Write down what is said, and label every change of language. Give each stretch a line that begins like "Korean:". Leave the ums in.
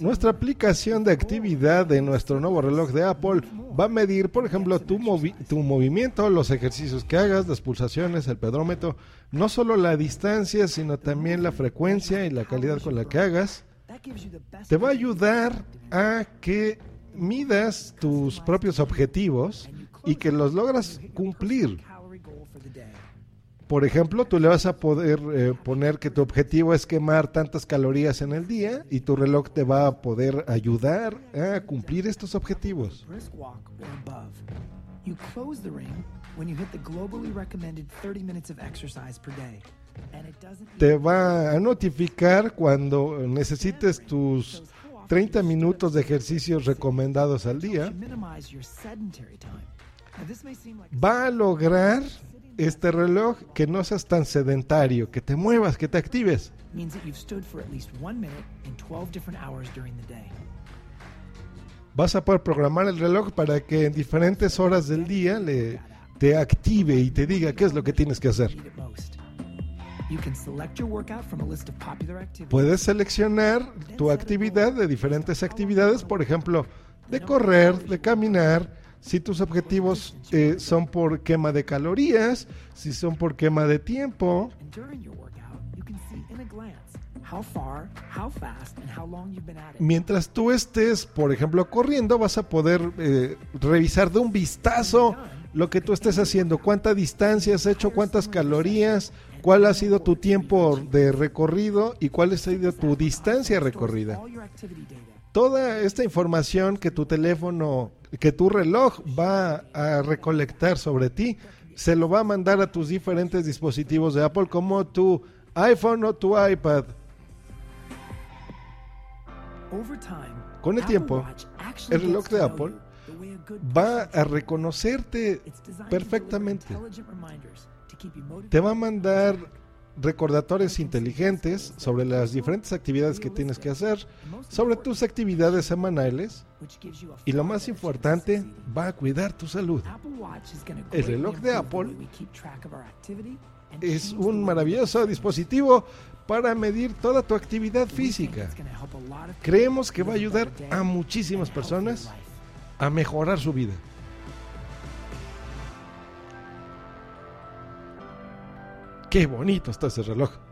English: of
Spanish: Nuestra aplicación de actividad de nuestro nuevo reloj de Apple va a medir, por ejemplo, tu, movi- tu movimiento, los ejercicios que hagas, las pulsaciones, el pedómetro, no solo la distancia, sino también la frecuencia y la calidad con la que hagas. Te va a ayudar a que midas tus propios objetivos y que los logras cumplir. Por ejemplo, tú le vas a poder eh, poner que tu objetivo es quemar tantas calorías en el día y tu reloj te va a poder ayudar a cumplir estos objetivos.
English: brisk walk or above. You close the ring when you hit the globally recommended 30 minutes of exercise per day. And it doesn't
Spanish: Te va a notificar cuando necesites tus 30 minutos de ejercicios recomendados al día.
English: minimize your sedentary time. Now, this may seem like
Spanish: Va a lograr este reloj que no seas tan sedentario, que te muevas, que te actives.
English: means that you've stood for at least one minute in 12 different hours during the day.
Spanish: Vas a poder programar el reloj para que en diferentes horas del día le, te active y te diga qué es lo que tienes que hacer.
English: Need it most. You can select your workout from a list of popular activities.
Spanish: Puedes seleccionar tu actividad de diferentes actividades, por ejemplo, de correr, de caminar, si tus objetivos eh, son por quema de calorías, si son por quema de tiempo.
English: And during your workout, you can see in a glance how far, how fast, and how long you've been at it.
Spanish: Mientras tú estés, por ejemplo, corriendo, vas a poder eh, revisar de un vistazo lo que tú estés haciendo, cuánta distancia has hecho, cuántas calorías, cuál ha sido tu tiempo de recorrido y cuál ha sido tu distancia recorrida. Toda esta información que tu teléfono, que tu reloj va a recolectar sobre ti, se lo va a mandar a tus diferentes dispositivos de Apple como tu iPhone o tu iPad.
English: Over time,
Spanish: Con el tiempo, el reloj de Apple va a reconocerte perfectamente.
English: intelligent reminders to keep you motivated.
Spanish: Te va a mandar recordatorios inteligentes sobre las diferentes actividades que tienes que hacer, sobre tus actividades semanales y lo más importante, va a cuidar tu salud.
English: Apple Watch is gonna
Spanish: El
English: greatly
Spanish: reloj de
English: improve the
Spanish: Apple
English: way we keep track of our activity and
Spanish: Es un maravilloso dispositivo para medir toda tu actividad física.
English: gonna help a lot of
Spanish: Creemos que va a ayudar a muchísimas personas a mejorar su vida. Qué bonito está ese reloj.